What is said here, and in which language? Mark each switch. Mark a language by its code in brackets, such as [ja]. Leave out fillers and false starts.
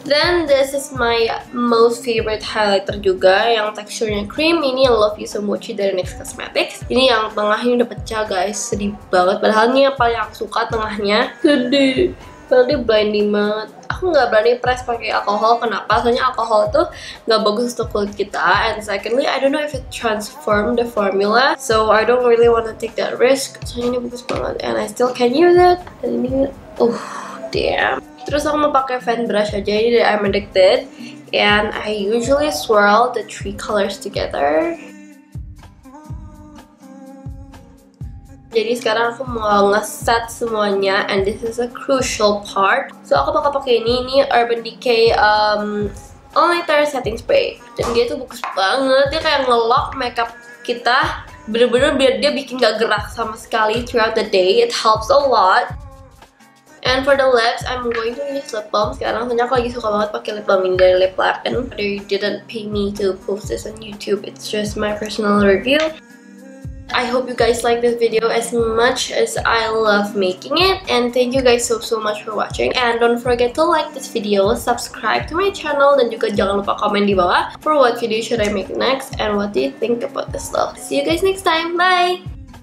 [en] Then this is my most favorite highlighter [id] juga, yang teksturnya [en] cream. [id] Ini yang Love You So Mochi dari NYX Cosmetics. Ini yang tengahnya udah pecah guys, sedih banget. Padahal ini yang paling aku suka tengahnya. Sedih, padahal dia blinding banget. Aku nggak berani press pakai alkohol, kenapa? Soalnya alkohol tuh nggak bagus untuk kulit kita. [en] And secondly, I don't know if it transform the formula, so I don't really want to take that risk. [id] Soalnya ini bagus banget, [en] and I still can use it. [id] Dan ini, [en] damn. [id] Terus aku mau pakai fan brush aja, ini dari I'm Addicted. [en] And I usually swirl the three colors together. [id] Jadi sekarang aku mau ngeset semuanya, [en] and this is a crucial part. [id] So aku bakal pakai ini Urban Decay All Nighter Setting Spray. Dan dia tuh bagus banget, dia kayak nge-lock makeup kita, bener-bener biar dia bikin gak gerak sama sekali [en] throughout the day. It helps a lot. And for the lips, I'm going to use lip balm [id] sekarang. Soalnya aku lagi suka banget pakai lip balm ini dari Lip Larkin. [en] But you didn't pay me to post this on YouTube, it's just my personal review. I hope you guys like this video as much as I love making it, and thank you guys so much for watching. And don't forget to like this video, subscribe to my channel, [id] dan juga jangan lupa komen di bawah [en] for what video should I make next and what do you think about this look. See you guys next time, bye!